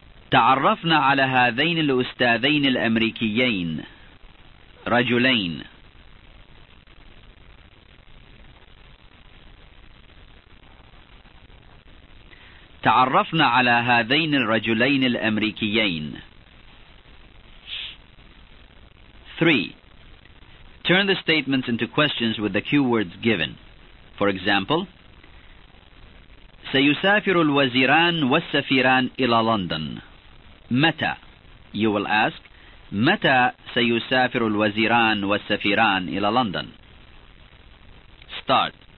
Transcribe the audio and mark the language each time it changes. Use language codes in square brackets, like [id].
[ar] تعرفنا على هذين الأستاذين الأمريكيين رجلين. تعرفنا على هذين الرجلين الأمريكيين. 3. [en] Turn the statements into questions with the cue words given. For example, [ar] سيسافر الوزيران والسفيران إلى لندن. متى؟ [en] You will ask, [ar] متى سيسافر الوزيران والسفيران إلى لندن؟ [en] Start.